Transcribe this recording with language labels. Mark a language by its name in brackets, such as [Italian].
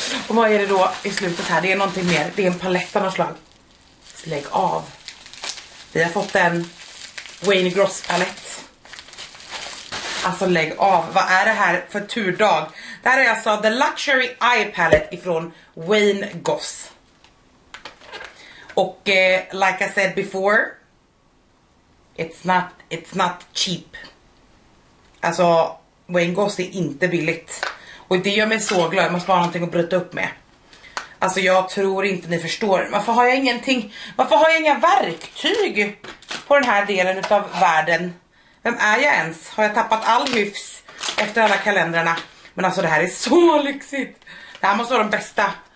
[Swedish] Och vad är det då i slutet här? Det är någonting mer. Det är en palett av något slag. Lägg av. Vi har fått en Wayne Gross palett. Alltså lägg av. Vad är det här för turdag? Det här är alltså The Luxury Eye Palette ifrån Wayne Gross. Och [English] like I said before, It's not cheap. [Swedish] Alltså, Wayne Goss är inte billigt. Och det gör mig så glad. Jag måste bara ha någonting att bryta upp med. Alltså, jag tror inte ni förstår. Varför har jag ingenting? Varför har jag inga verktyg på den här delen av världen? Vem är jag ens? Har jag tappat all hyfs efter alla kalendrarna? Men alltså, det här är så lyxigt. Det här måste vara de bästa.